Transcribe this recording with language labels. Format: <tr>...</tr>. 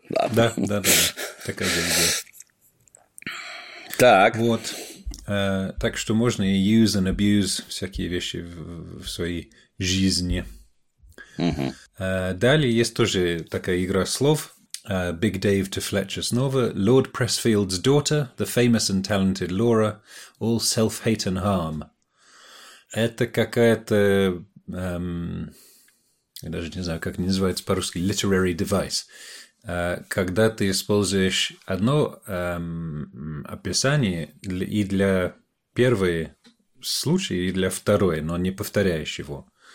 <ru>Да. Такая же идея. Так. Вот. Так что можно и</ru> <en>use and abuse</en> <ru>всякие вещи в своей жизни. Далее есть тоже такая игра слов.</ru> <en>Big Dave to Fletcher</en> <ru>снова.</ru> <en>Lord Pressfield's daughter, the famous and talented Laura, all self-hate and harm.</en> <ru>Это какая-то... я даже не знаю, как они называются по-русски.</ru> <en>Literary device.</en> <ru>Когда ты используешь одно описание и для первого случая, и для второго, но не повторяешь его.</ru>